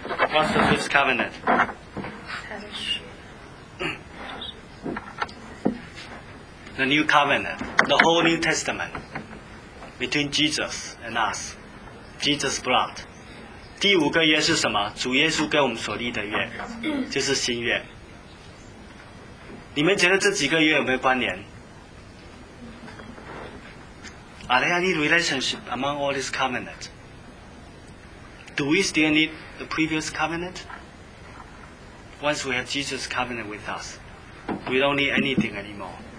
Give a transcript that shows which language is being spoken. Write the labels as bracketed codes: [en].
[en] What's the fifth covenant? The new covenant, the whole New Testament between Jesus and us, Jesus' blood. [zh] 第五个约是什么？主耶稣跟我们所立的约，就是新约。你们觉得这几个约有没有关联？ [en] Are there any relationship among all these covenants? Do we still need the previous covenant? Once we have Jesus' covenant with us, we don't need anything anymore.